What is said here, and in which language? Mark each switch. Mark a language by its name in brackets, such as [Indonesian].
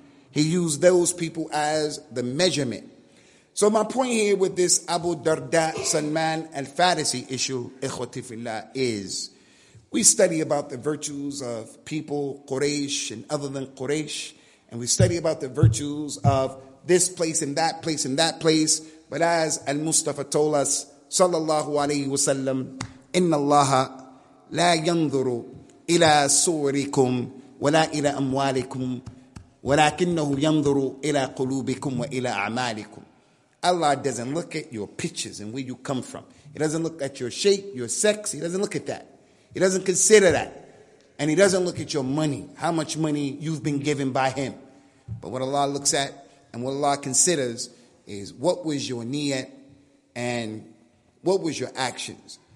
[English] He used those people as the measurement. So my point here with this Abu Darda Salman al-Farisi issue, [Arabic] إِخْوَةِ فِي اللَّهِ, [English] is we study about the virtues of people, Quraysh and other than Quraysh, and we study about the virtues of this place and that place and that place. But as Al-Mustafa told us, sallallahu alayhi wa sallam, [Arabic] إِنَّ اللَّهَ لَا يَنْظُرُ إِلَىٰ صُورِكُمْ وَلَا إِلَىٰ أَمْوَالِكُمْ وَلَكِنَّهُ يَنْظُرُ إِلَىٰ قُلُوبِكُمْ وَإِلَىٰ أَعْمَالِكُمْ. [English] Allah doesn't look at your pictures and where you come from. He doesn't look at your shape, your sex. He doesn't look at that. He doesn't consider that. And he doesn't look at your money, how much money you've been given by him. But what Allah looks at and what Allah considers is, what was your niyat and what was your actions?